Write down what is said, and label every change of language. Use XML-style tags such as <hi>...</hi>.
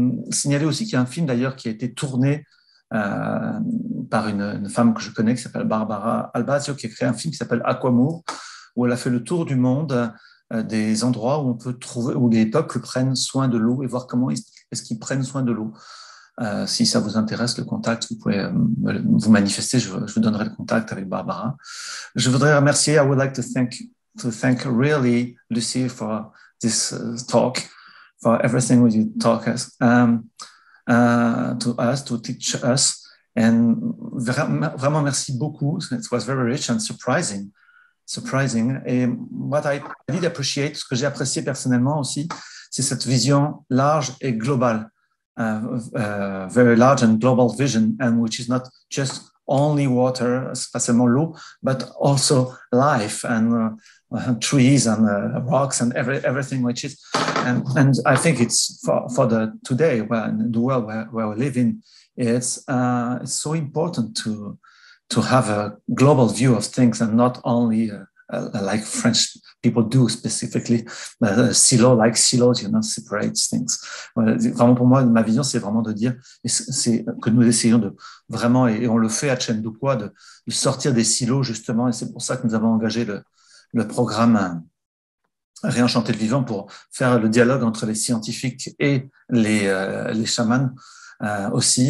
<fr>Signaler aussi qu'il y a un film d'ailleurs qui a été tourné par une femme que je connais qui s'appelle Barbara Albazio, qui a créé un film qui s'appelle Aquamour, où elle a fait le tour du monde des endroits où on peut trouver où les peuples prennent soin de l'eau et voir comment est-ce qu'ils prennent soin de l'eau. Si ça vous intéresse, le contact, vous pouvez vous manifester. Je vous donnerai le contact avec Barbara. Je voudrais remercier.</fr> <en>I would like to thank really Luci for this talk, for everything you talk us to us, to teach us. And</en> <fr>vraiment merci beaucoup.</fr> <en>It was very rich and surprising.</en> <fr>Et</fr> <en>what I did appreciate,</en> <fr>ce que j'ai apprécié personnellement aussi, c'est cette vision large et globale.</fr> <en>Very large and global vision, and which is not just only water,</en> <fr>spatialement l'eau,</fr> <en>but also life and trees and rocks and everything which is. And I think it's for the today, when the world where we live in, it's so important to have a global view of things and not only like French people do specifically, silo, like silos, you know, separates things.</en> <fr>Vraiment pour moi, ma vision, c'est vraiment de dire c'est que nous essayons de vraiment, et on le fait à Tchendukua, de sortir des silos, justement, et c'est pour ça que nous avons engagé le programme Réenchanter le vivant pour faire le dialogue entre les scientifiques et les chamans aussi.</fr>